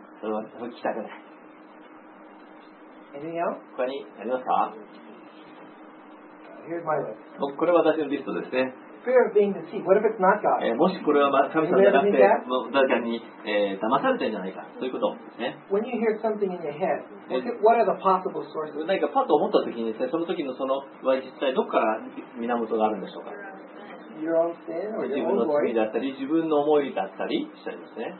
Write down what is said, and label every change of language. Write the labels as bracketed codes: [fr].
[ja] それは聞きたくない。他にありますか。 [en] Here's my list. [ja] これは私のリストですね。 [en] Fear of being deceived. What if it's not God? [ja] もしこれは神様じゃなくて誰かに、騙されてるんじゃないか、そういうことですね。 [en] When you hear something in your head, what are the possible sources? [ja] 何かパッと思った時に、その時のその実際どこから源があるんでしょうか。 [en] Your own sin or your [ja] 自分の罪だったり自分の思いだったりしたりですね。